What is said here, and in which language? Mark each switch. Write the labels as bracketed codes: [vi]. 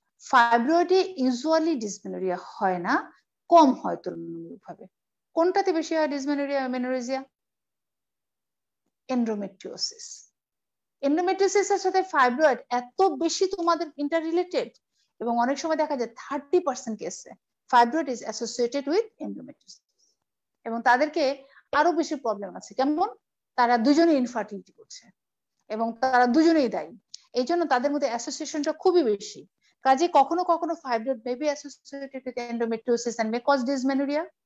[bn] ফাইব্রয়েডে usually dysmenorrhoea হয় না, কম হয় তুলনামূলক ভাবে। কোনটাতে বেশি হয় ডিসমেনোরিয়া মেনোরেজিয়া? এন্ডোমেট্রিওসিস। এন্ডোমেট্রিওসিস এর সাথে ফাইব্রয়েড এত বেশি তোমাদের ইন্টার রিলেটেড, এবং অনেক সময় দেখা যায় 30% কেসে [en] fibroid is associated with endometriosis. [bn] এবং তাদেরকে আরো বেশি প্রবলেম আছে, কেমন, তারা দুজনে ইনফার্টিলিটি করছে এবং তারা দুজনেই দায়ী, এই জন্য তাদের মধ্যে অ্যাসোসিয়েশনটা খুবই বেশি। কাজে কখনো কখনো [en] Fibroid may be associated with endometriosis and may cause dysmenorrhoea.